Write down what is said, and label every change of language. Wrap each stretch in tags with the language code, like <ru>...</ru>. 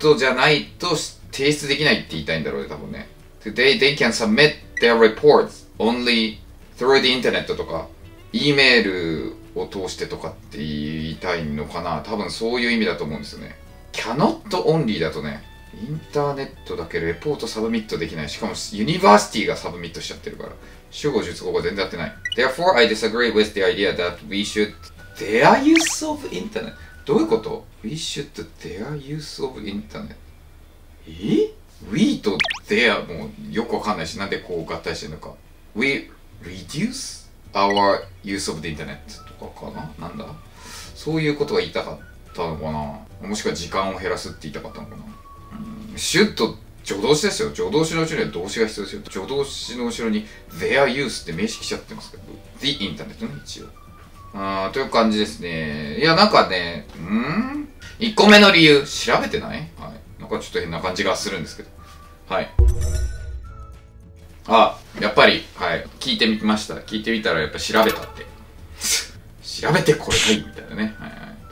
<ja>ットじゃないと提出できないって言いたいんだろうね、多分ね。</ja> <en>Today they can submit their reports only through the internet</en> <ja>とか、E メールを通してとかって言いたいのかな。多分そういう意味だと思うんですよね。</ja> <en>Cannot only</en> <ja>だとね、インターネットだけレポートサブミットできない。しかも、ユニバーシティがサブミットしちゃってるから。主語、述語が全然合ってない。</ja> <en>Therefore, I disagree with the idea that we should their use of internet.</en> <ja>どういうこと ?</ja> <en>We should their use of internet.</en> <ja>え ?We と their もうよくわかんないし、なんでこう合体してるのか。</ja> <en>We reduce our use of the internet</en> <ja>とかかな、なんだそういうことが言いたかったのかな。もしくは時間を減らすって言いたかったのかな。シュッと助動詞ですよ。助動詞の後ろには動詞が必要ですよ。助動詞の後ろに</ja> <en>their use</en> <ja>って名詞来ちゃってますけど。</ja> <en>The internet</en> <ja>の一応。という感じですね。いや、なんかね、1個目の理由、調べてない?はい。なんかちょっと変な感じがするんですけど。はい。あ、やっぱり、はい。聞いてみました。聞いてみたらやっぱ調べたって。調べてこれかいみたいなね。はい。</ja>